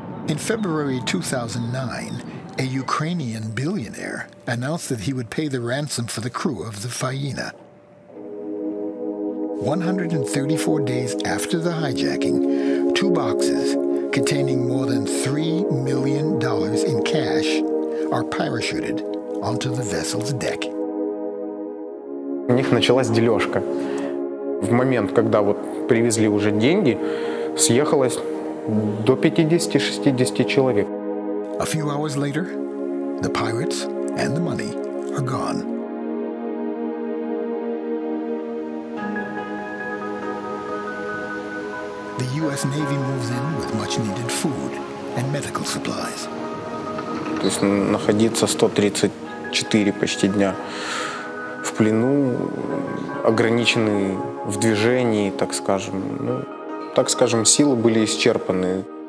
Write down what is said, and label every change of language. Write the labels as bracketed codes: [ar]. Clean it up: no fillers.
[en] In February 2009, a Ukrainian billionaire announced that he would pay the ransom for the crew of the Faina. 134 days after the hijacking, two boxes containing more than $3 million in cash are parachuted onto the vessel's deck. [ru] У них началась дележка. В момент, когда вот привезли уже деньги, съехалось до 50-60 человек. [en] A few hours later, the pirates and the money are gone. The U.S. Navy moves in with much-needed food and medical supplies. [ru] То есть находиться 134 почти дня в плену, ограничены в движении, так скажем, ну, так скажем, силы были исчерпаны.